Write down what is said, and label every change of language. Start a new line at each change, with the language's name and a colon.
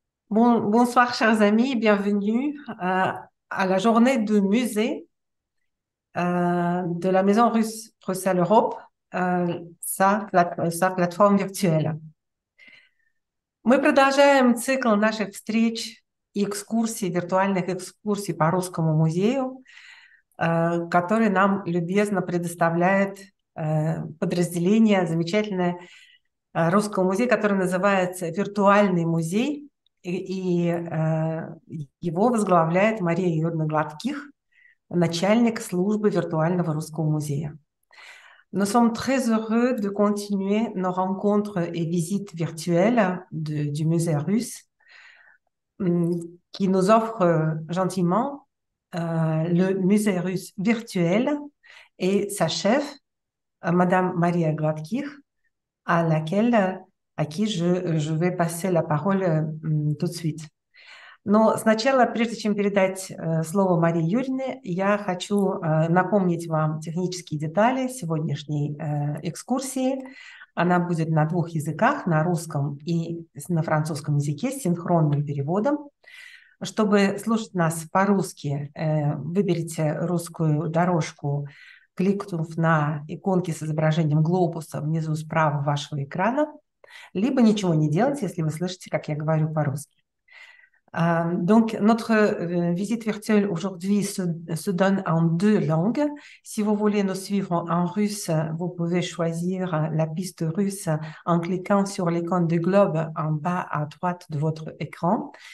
French: Bonsoir, chers amis, bienvenue à la journée du musée de la Maison russe Bruxelles-Europe, sa plateforme virtuelle.
Russian: Мы продолжаем цикл наших встреч и экскурсий, виртуальных экскурсий по русскому музею, который нам любезно предоставляет подразделение замечательное русского музея, которое называется «Виртуальный музей», и его возглавляет Мария Юрьевна Гладких, начальник службы виртуального русского музея.
French: Nous sommes très heureux de continuer nos rencontres et visites virtuelles du musée russe, qui nous offre gentiment le musée russe virtuel et sa chef, Madame Maria Gladkich, à qui je vais passer la parole tout de suite.
Russian: Но сначала, прежде чем передать слово Марии Юрьевне, я хочу напомнить вам технические детали сегодняшней экскурсии. Она будет на двух языках, на русском и на французском языке, с синхронным переводом. Чтобы слушать нас по-русски, выберите русскую дорожку, кликнув на иконки с изображением глобуса внизу справа вашего экрана, либо ничего не делать, если вы слышите, как я говорю по-русски.
French: Donc, notre visite virtuelle aujourd'hui se donne en deux langues. Si vous voulez nous suivre en russe, vous pouvez choisir la piste russe en cliquant sur l'icône du globe en bas à droite de votre écran.